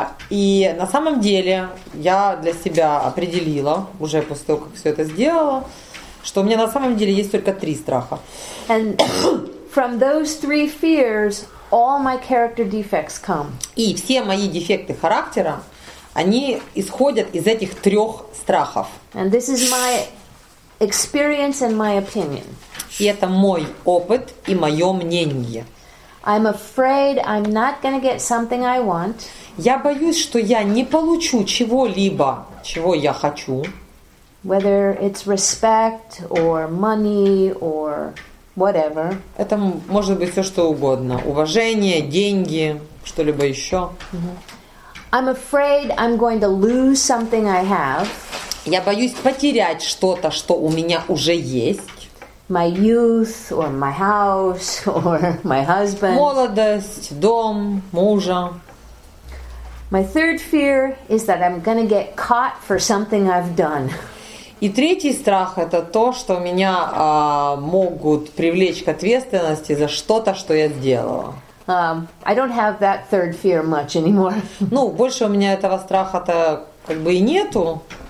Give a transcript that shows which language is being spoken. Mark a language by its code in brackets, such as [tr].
[ru] И на самом деле я для себя определила уже после того, как все это сделала, что у меня на самом деле есть только три страха. [en] And from those three fears, all my character defects come. [ru] И все мои дефекты характера, они исходят из этих трех страхов. [en] And this is my experience and my opinion. [ru] И это мой опыт и мое мнение. [en] I'm afraid I'm not gonna get something I want. [ru] Я боюсь, что я не получу чего-либо, чего я хочу. [en] Whether it's respect or money or whatever. [ru] Это может быть все что угодно. Уважение, деньги, что-либо еще. [en] I'm afraid I'm going to lose something I have. [ru] Я боюсь потерять что-то, что у меня уже есть. [en] My youth, or my house, or my husband. [ru] Молодость, дом, мужа. [en] My third fear is that I'm gonna get caught for something I've done. [ru] И третий страх – это то, что меня могут привлечь к ответственности за что-то, что я сделала. [en] I don't have that third fear much anymore. [ru] Ну, больше у меня этого страха-то как бы и нету.